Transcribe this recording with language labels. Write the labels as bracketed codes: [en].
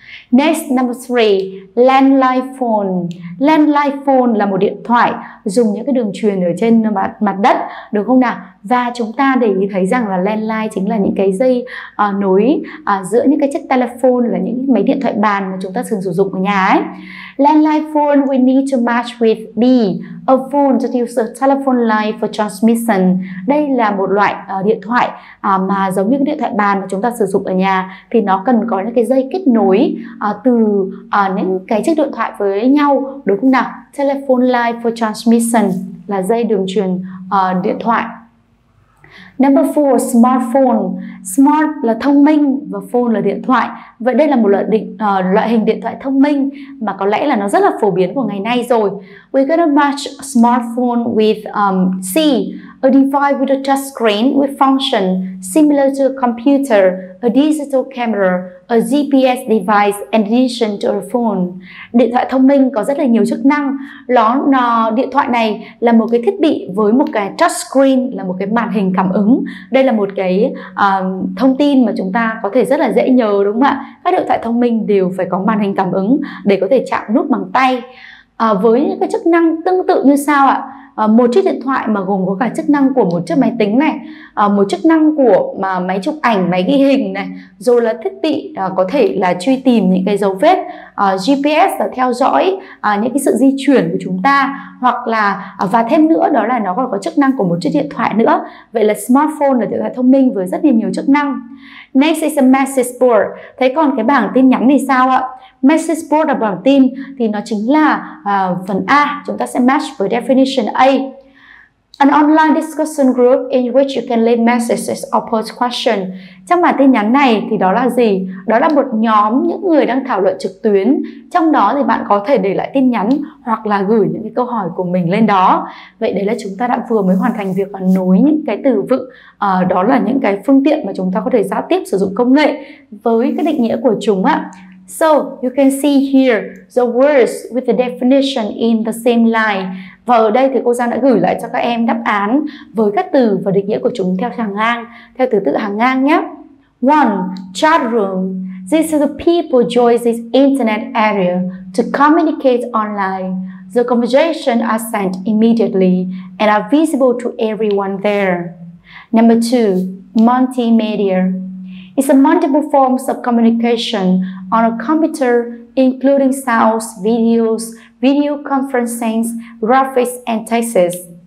[en] Next, number three, landline phone. [vi] Landline phone là một điện thoại dùng những cái đường truyền ở trên mặt đất, được không nào? Và chúng ta để ý thấy rằng là landline chính là những cái dây nối giữa những cái chiếc telephone, là những máy điện thoại bàn mà chúng ta thường sử dụng ở nhà ấy. [en] Landline phone we need to match with B, a phone that use a telephone line for transmission. [vi] Đây là một loại điện thoại mà giống như cái điện thoại bàn mà chúng ta sử dụng ở nhà, thì nó cần có những cái dây kết nối từ những cái chiếc điện thoại với nhau, đúng không nào? Telephone line for transmission là dây đường truyền điện thoại. [en] Number four, smartphone. [vi] Smart là thông minh và phone là điện thoại. Vậy đây là một loại hình điện thoại thông minh mà có lẽ là nó rất là phổ biến của ngày nay rồi. [en] We're gonna match smartphone with C, a device with a touch screen with function similar to a computer, a digital camera, a GPS device in addition to a phone. [vi] Điện thoại thông minh có rất là nhiều chức năng. Điện thoại này là một cái thiết bị với một cái touch screen, là một cái màn hình cảm ứng. Đây là một cái thông tin mà chúng ta có thể rất là dễ nhớ, đúng không ạ? Các điện thoại thông minh đều phải có màn hình cảm ứng để có thể chạm nút bằng tay. Với những cái chức năng tương tự như sau ạ. Một chiếc điện thoại mà gồm có cả chức năng của một chiếc máy tính này, một chức năng của mà máy chụp ảnh, máy ghi hình này, rồi là thiết bị có thể là truy tìm những cái dấu vết, GPS là theo dõi những cái sự di chuyển của chúng ta, hoặc là và thêm nữa đó là nó còn có chức năng của một chiếc điện thoại nữa. Vậy là smartphone là điện thoại thông minh với rất nhiều chức năng. [en] Next is a message board. [vi] Thế còn cái bảng tin nhắn thì sao ạ? Message board là bảng tin, thì nó chính là phần A, chúng ta sẽ match với definition A. [en] An online discussion group in which you can leave messages or post questions. [vi] Trong bảng tin nhắn này thì đó là gì? Đó là một nhóm những người đang thảo luận trực tuyến. Trong đó thì bạn có thể để lại tin nhắn hoặc là gửi những cái câu hỏi của mình lên đó. Vậy đấy là chúng ta đã vừa mới hoàn thành việc nối những cái từ vựng, đó là những cái phương tiện mà chúng ta có thể giao tiếp sử dụng công nghệ với cái định nghĩa của chúng ạ. [en] So, you can see here the words with the definition in the same line. [vi] Và ở đây thì cô Giang đã gửi lại cho các em đáp án với các từ và định nghĩa của chúng theo hàng ngang, theo thứ tự hàng ngang nhé. [en] One, chat room. These are the people join this internet area to communicate online. The conversations are sent immediately and are visible to everyone there. Number two, multimedia. It's a multiple forms of communication on a computer, including sounds, videos, video conferencing, graphics, and texts.